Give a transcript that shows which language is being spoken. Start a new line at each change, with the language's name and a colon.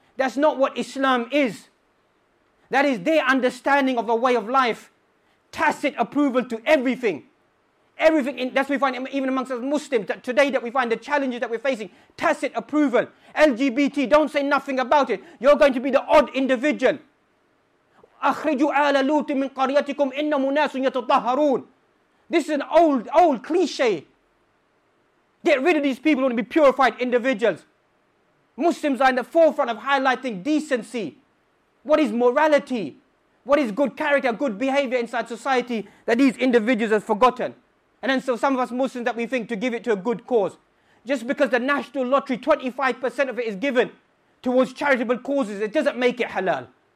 English: That's not what Islam is. That is their understanding of a way of life. Tacit approval to everything. Everything, that's what we find even amongst us Muslims, that today that we find the challenges that we're facing, tacit approval. LGBT, don't say nothing about it. You're going to be the odd individual.
Arabic: أخرجوا آل لوط من قريتكم إنهم ناس يتطهرون.
English: This is an old cliche. Get rid of these people who want to be purified individuals. Muslims are in the forefront of highlighting decency. What is morality? What is good character, good behavior inside society that these individuals have forgotten? And then so some of us Muslims that we think to give it to a good cause. Just because the national lottery, 25% of it is given towards charitable causes, it doesn't make it halal.